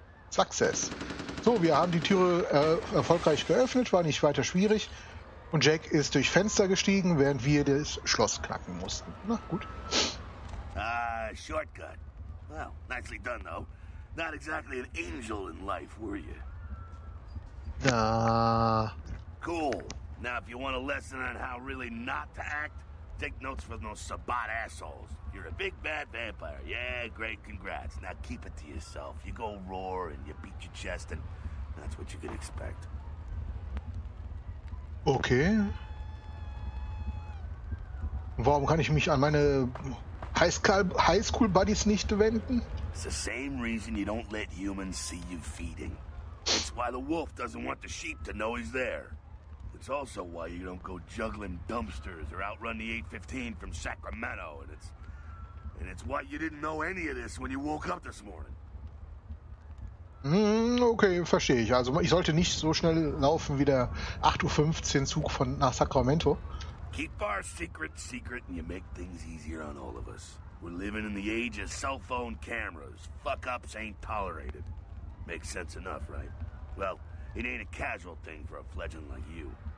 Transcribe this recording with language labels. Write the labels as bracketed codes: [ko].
[de] Success. So, wir haben die Türe erfolgreich geöffnet, war nicht weiter schwierig. Und Jack ist durch Fenster gestiegen, während wir das Schloss knacken mussten. Na gut. [en] Shortcut. Well, nicely done, though. Not exactly an angel in life, were you? Cool. Now, if you want a lesson on how really not to act, take notes for those Sabbat assholes. You're a big bad vampire. Yeah, great, congrats. Now keep it to yourself. You go roar and you beat your chest and that's what you can expect. Okay. [de] Warum kann ich mich an meine Highschool-Buddies nicht wenden? [en] It's the same reason you don't let humans see you feeding. It's why the wolf doesn't want the sheep to know he's there. It's also why you don't go juggling dumpsters or outrun the 815 from Sacramento. And it's why you didn't know any of this when you woke up this morning. [de] Okay, verstehe ich. Also ich sollte nicht so schnell laufen wie der 8:15 Zug von nach Sacramento. [en] Keep our secret secret and you make things easier on all of us. We're living in the age of cell phone cameras. Fuck-ups ain't tolerated. Makes sense enough, right? Well, it ain't a casual thing for a fledgling like you.